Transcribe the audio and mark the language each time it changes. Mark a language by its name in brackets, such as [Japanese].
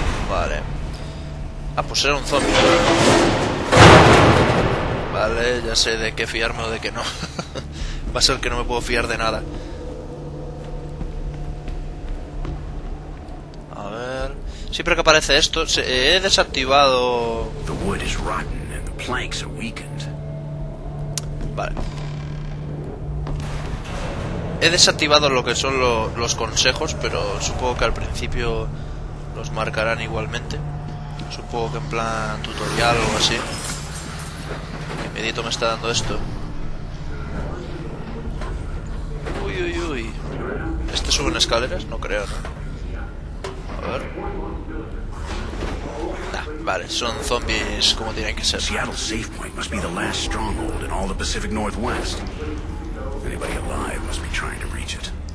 [Spanish] Vale. Ah, pues era un zombie. Vale, ya sé de qué fiarme o de qué no. Va a ser que no me puedo fiar de nada. A ver. Siempre que aparece esto, he desactivado. [English] The wood is rotten and the planks are weakened. [Spanish] Vale. He desactivado lo que son los consejos, pero supongo que al principio los marcarán igualmente. Supongo que en plan tutorial o así. ¿Qué miedito me está dando esto? Uy, uy, uy. ¿Este sube en escaleras? No creo, ¿no? A ver. Nah, vale, son zombies como tienen que ser. [English] Seattle Safe Point must be the last stronghold in all the Pacific Northwest. Anybody alive must be trying to reach it.